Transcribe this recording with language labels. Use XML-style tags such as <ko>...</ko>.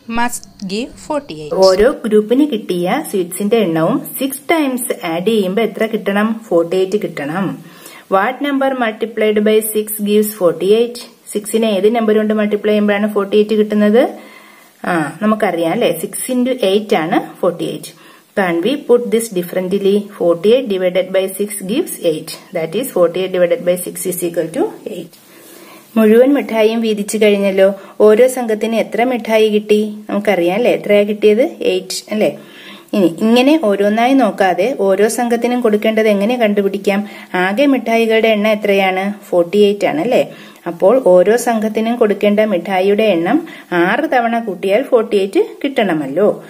<en>Must give 48.</en> <ml>ഓരോ ഗ്രൂപ്പിന് കിട്ടിയ സീറ്റ്സിന്റെ എണ്ണവും 6 ടൈംസ് ആഡ് ചെയ്യുമ്പോൾ എത്ര കിട്ടണം? 48 കിട്ടണം.</ml> <en>What number multiplied by 6 gives 48?</en> <ml>സിക്സിനെ ഏത് നമ്പർ കൊണ്ട് മൾട്ടിപ്ലൈ ചെയ്യുമ്പോഴാണ് 48 കിട്ടുന്നത്? നമുക്കറിയാം അല്ലേ, 6 × 8 ആണ് 48.</ml> <en>Can we put this differently? 48 divided by 6 gives 8. That is 48 divided by 6 is equal to 8.</en> <ml>മുഴുവൻ മിഠായിയും വീതിച്ചു കഴിഞ്ഞല്ലോ, ഓരോ സംഘത്തിന് എത്ര മിഠായി കിട്ടി? നമുക്കറിയാം അല്ലേ, എത്രയാണ് കിട്ടിയത്? 8 അല്ലേ. ഇനി ഇങ്ങനെ ഓരോന്നായി നോക്കാതെ ഓരോ സംഘത്തിനും കൊടുക്കേണ്ടത് എങ്ങനെ കണ്ടുപിടിക്കാം? ആകെ മിഠായികളുടെ എണ്ണം എത്രയാണ്? 48 ആണ് അല്ലേ. അപ്പോൾ ഓരോ സംഘത്തിനും കൊടുക്കേണ്ട മിഠായിയുടെ എണ്ണം 6 തവണ കൂട്ടിയാൽ 48 കിട്ടണമല്ലോ.</ml>